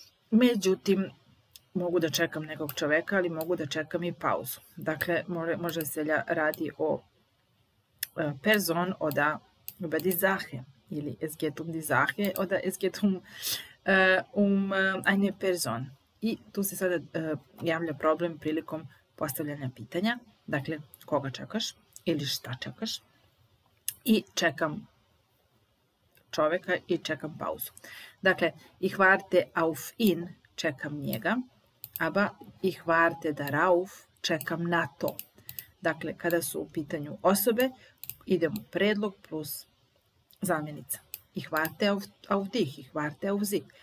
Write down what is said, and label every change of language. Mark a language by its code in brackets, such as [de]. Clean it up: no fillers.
[sr] Međutim, mogu da čekam nekog čoveka, ali mogu da čekam i pauzu. Dakle, može se radi o [de] person oda über die Sache, [sr] ili [de] es geht um die Sache oder es geht um eine Person. [sr] I tu se sada javlja problem prilikom postavljanja pitanja. Dakle, koga čekaš ili šta čekaš? I čekam čoveka i čekam pauzu. Dakle, [de] ich warte auf ihn, [sr] čekam njega, [de] aber ich warte darauf, [sr] čekam na to. Dakle, kada su u pitanju osobe, idemo predlog plus zamjenica. [de] Ich warte auf dich, ich warte auf sie.